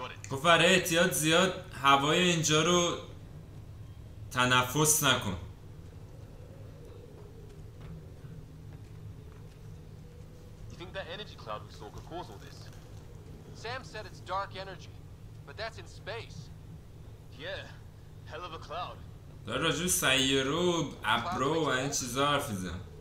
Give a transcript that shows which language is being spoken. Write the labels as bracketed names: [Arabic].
[Persian] گفت برای احتیاط زیاد هوای اینجا رو تنفس نکن. [English] You think that energy cloud we saw could cause all this? Sam said it's dark energy, but that's in space. Yeah, hell of a cloud. [Persian] داره راجب سیارو ابرو و این چیزا حرف میزن.